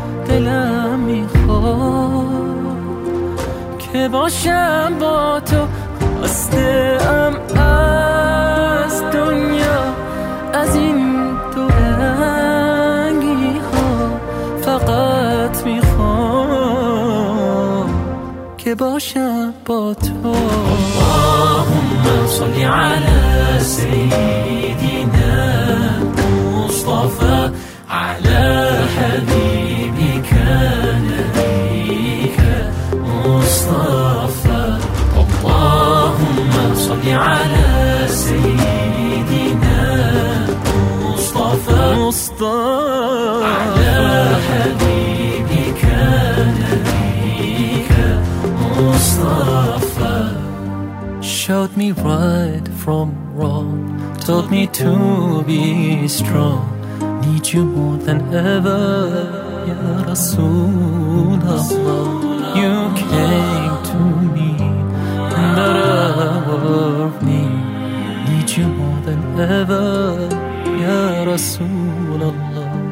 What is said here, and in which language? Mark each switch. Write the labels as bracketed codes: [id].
[fa] دلم میخواد که باشم با تو. خسته ام از دنیا، از این دورنگی ها، فقط میخوام که باشم با تو. [ar] اللهم صل على سيدنا مصطفى على حبيبك نبيك مصطفى. اللهم صل على سيدنا مصطفى على حبيبك نبيك مصطفى. [en] Showed me right from wrong, taught me to be strong. Need you more than ever, Ya Rasul Allah. You came to me that I need you more than ever, Ya Rasulallah.